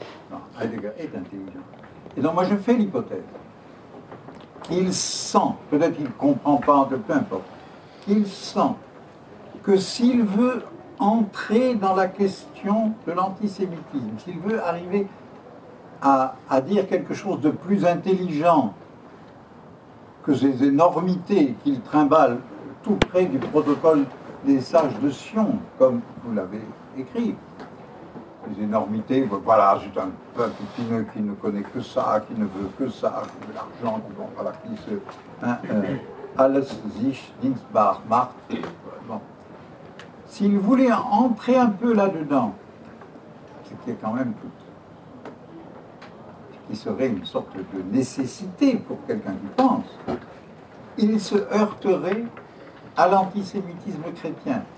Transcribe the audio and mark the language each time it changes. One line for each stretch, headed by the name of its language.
French: Non, Heidegger est intelligent. Et donc, moi, je fais l'hypothèse qu'il sent, peut-être qu'il ne comprend pas, peu importe, qu'il sent que s'il veut entrer dans la question de l'antisémitisme, s'il veut arriver à dire quelque chose de plus intelligent que ces énormités qu'il trimballe tout près du protocole des sages de Sion, comme vous l'avez écrit. Les énormités, voilà, c'est un peuple qui ne connaît que ça, qui ne veut que ça, qui veut l'argent, bon, voilà, qui se...
German: Alles sich dienstbar macht.
French: Bon. S'il voulait entrer un peu là-dedans, ce qui est quand même tout, ce qui serait une sorte de nécessité pour quelqu'un qui pense, il se heurterait à l'antisémitisme chrétien.